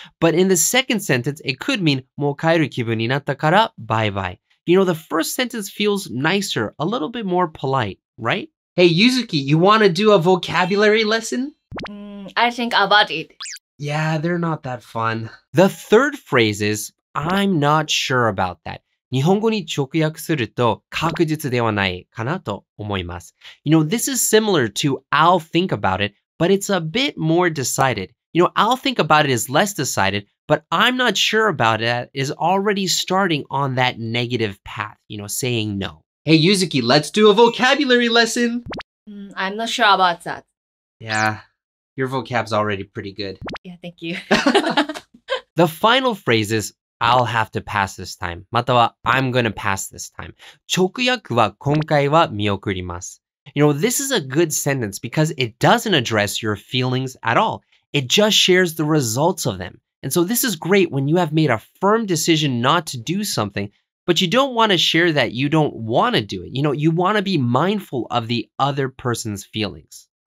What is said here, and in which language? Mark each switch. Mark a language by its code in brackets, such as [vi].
[en] But in the second sentence, it could mean [ja] もう帰る気分になったから [en] bye bye. You know, the first sentence feels nicer, a little bit more polite, right? Hey, Yuzuki, you want to do a vocabulary lesson? I think about it. Yeah, they're not that fun. The third phrase is, I'm not sure about that. [ja] 日本語に直訳すると確実ではないかなと思います. [en] You know, this is similar to I'll think about it, but it's a bit more decided. You know, I'll think about it is less decided, but I'm not sure about it is already starting on that negative path, you know, saying no. Hey, Yuzuki, let's do a vocabulary lesson. I'm not sure about that. Yeah. Your vocab's already pretty good. Yeah, thank you. The final phrase is, I'll have to pass this time. または, I'm gonna pass this time. [ja] 直訳は今回は見送ります. [en] You know, this is a good sentence because it doesn't address your feelings at all. It just shares the results of them. And so this is great when you have made a firm decision not to do something, but you don't want to share that you don't want to do it. You know, you want to be mindful of the other person's feelings.